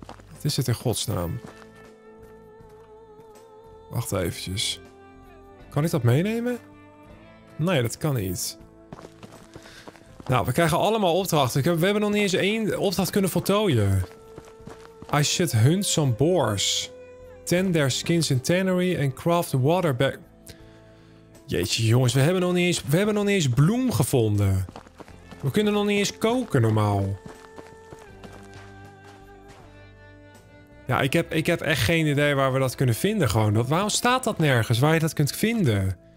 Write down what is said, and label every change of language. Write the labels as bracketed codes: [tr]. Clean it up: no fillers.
[nl] Wat is dit in godsnaam? Wacht eventjes. Kan ik dat meenemen? Nee, dat kan niet. Nou, we krijgen allemaal opdrachten. We hebben nog niet eens één opdracht kunnen voltooien. [en] I should hunt some boars. Tend their skins in tannery and craft water bag. [nl] Jeetje jongens, we hebben nog niet eens bloem gevonden. We kunnen nog niet eens koken normaal. Ja, ik heb echt geen idee waar we dat kunnen vinden gewoon. Waarom staat dat nergens waar je dat kunt vinden?